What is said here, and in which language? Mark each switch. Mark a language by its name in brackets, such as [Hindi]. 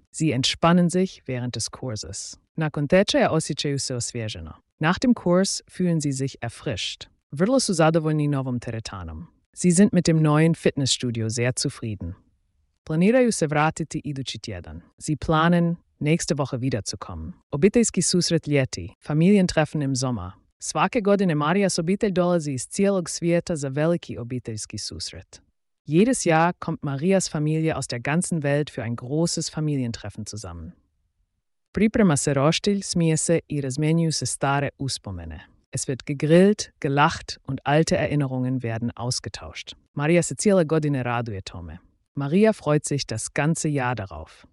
[German] Sie entspannen sich während des Kurses. [Croatian] Nakon tečaja osjećaju se osvježeno. [German] Nach dem Kurs fühlen sie sich erfrischt. [Croatian] Vrlo su zadovoljni novom teretanom. [German] Sie sind mit dem neuen Fitnessstudio sehr zufrieden. [Croatian] Planiraju se vratiti idući tjedan. [German] Sie planen, nächste Woche wiederzukommen. [Croatian] Obiteljski susret ljeti, [German] familientreffen im Sommer. [Croatian] Svake godine Marijas obitelj dolazi iz cijelog svijeta za veliki obiteljski susret. [German] Jedes Jahr kommt Marijas familie aus der ganzen Welt für ein großes Familientreffen zusammen. [Croatian] Priprema se roštilj, smije se i razmenjuju se stare uspomene. [German] Es wird gegrillt, gelacht und alte Erinnerungen werden ausgetauscht. [Croatian] Maria se cijele godine raduje tome. [German] Maria freut sich das ganze Jahr darauf.